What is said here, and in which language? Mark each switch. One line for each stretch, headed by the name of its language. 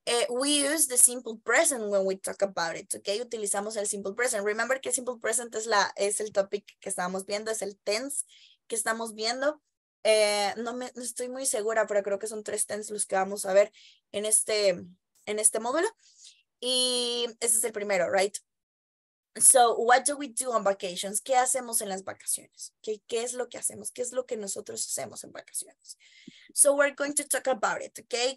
English: We use the simple present when we talk about it, okay?
Spanish: Utilizamos el simple present. Remember que simple present es el topic que estábamos viendo, es el tense que estamos viendo. No estoy muy segura, pero creo que son 3 tense los que vamos a ver en este módulo. Y ese es el primero,
English: right? So, what do we do on vacations?
Spanish: ¿Qué hacemos en las vacaciones? Okay, ¿qué es lo que hacemos? ¿Qué es lo que nosotros hacemos en vacaciones?
English: So, we're going to talk about it, okay?